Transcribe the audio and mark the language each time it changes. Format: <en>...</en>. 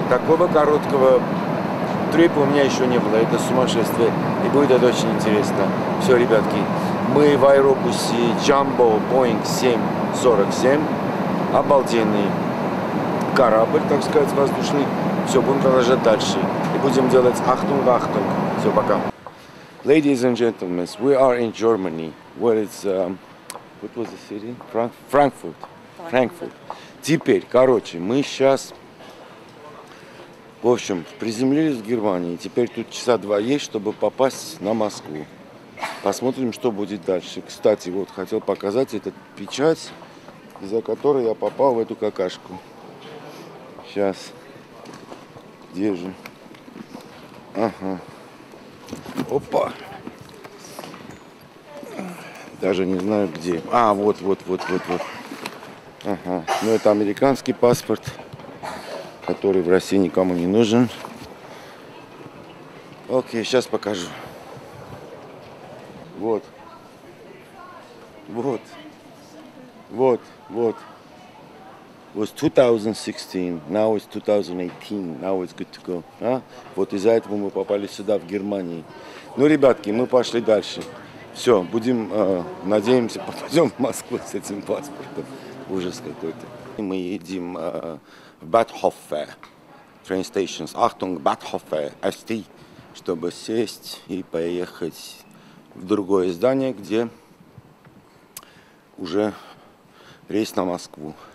<ru>Такого короткого трипа у меня еще не было. Это сумасшествие. И будет это очень интересно. Все, ребятки, Мы в аэробусе Jumbo Boeing 747. Обалденный корабль, так сказать, воздушный. Все, будем продолжать дальше. И будем делать Achtung, Achtung. Все, пока.</ru> <en>Ladies and gentlemen, we are in Germany, where it's, what was the city? Frankfurt. Frankfurt.</en> <ru>Теперь, короче, мы сейчас, в общем, приземлились в Германии. Теперь тут часа два есть, чтобы попасть на Москву. Посмотрим, что будет дальше. Кстати, вот, хотел показать этот печать, из-за которой я попал в эту какашку. Сейчас. Где же? Ага. Опа. Даже не знаю, где. А, вот. Ага. Ну, это американский паспорт, который в России никому не нужен. Окей, сейчас покажу. Вот.</ru> <en>Was 2016, now it's 2018, now it's good to go.</en> <ru>А? Вот из-за этого мы попали сюда, в Германии. Ну, ребятки, мы пошли дальше. Все, будем, надеемся, попадем в Москву с этим паспортом. Ужас какой-то. Мы едем в Бетхофе,</ru> <en>train stations,</en> <ru>Achtung, Бетхофе, ST, чтобы сесть и поехать в другое здание, где уже рейс на Москву.</ru>